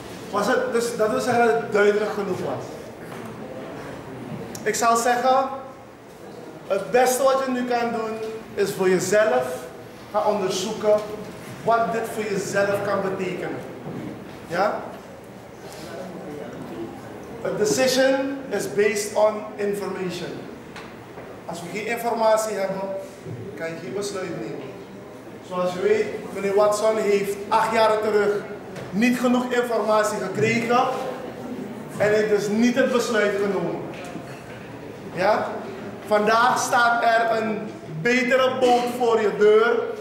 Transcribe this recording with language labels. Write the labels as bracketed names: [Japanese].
[Dutch] Was het, dus dat wil zeggen dat het duidelijk genoeg was. Ik zou zeggen, het beste wat je nu kan doen, is voor jezelf gaan onderzoeken wat dit voor jezelf kan betekenen. Ja? [English] A decision is based on information. [Dutch] Als we geen informatie hebben, kan je geen besluit nemen. Zoals je weet, meneer Watson heeft 8 jaren terug niet genoeg informatie gekregen en heeft dus niet het besluit genomen. Ja? Vandaag staat er een betere boot voor je deur.